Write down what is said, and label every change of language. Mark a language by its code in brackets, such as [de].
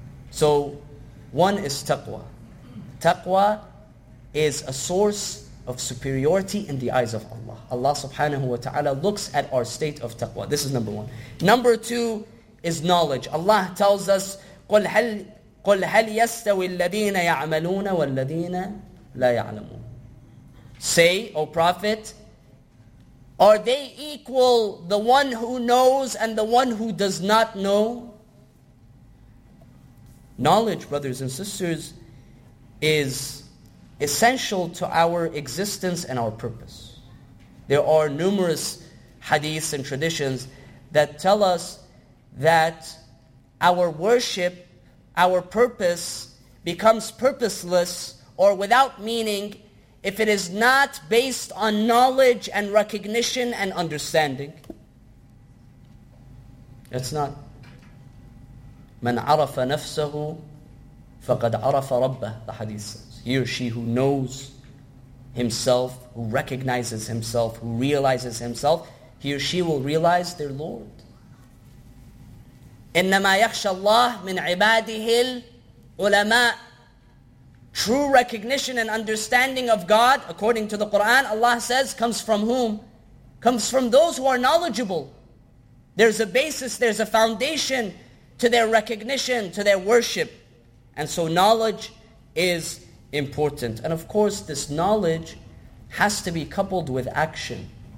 [en] So, one is taqwa. Taqwa is a source of superiority in the eyes of Allah. Allah subhanahu wa ta'ala looks at our state of taqwa. This is number one. Number two is knowledge. Allah tells us, [ar] قُلْ هَلْ يَسْتَوِي الَّذِينَ يَعْمَلُونَ وَالَّذِينَ لَا يَعْلَمُونَ. [en] Say, O Prophet, are they equal, the one who knows and the one who does not know? Knowledge, brothers and sisters, is essential to our existence and our purpose. There are numerous hadiths and traditions that tell us that our worship, our purpose, becomes purposeless or without meaning if it is not based on knowledge and recognition and understanding. It's not. [ar] من عرف نفسه فقد عرف ربه, [en] the hadith says. He or she who knows himself, who recognizes himself, who realizes himself, he or she will realize their Lord. [ar] إنما يخشى الله من عباده العلماء. [en] True recognition and understanding of God, according to the Quran, Allah says, comes from whom? Comes from those who are knowledgeable. There's a basis, there's a foundation to their recognition, to their worship. And so knowledge is important. And of course, this knowledge has to be coupled with action.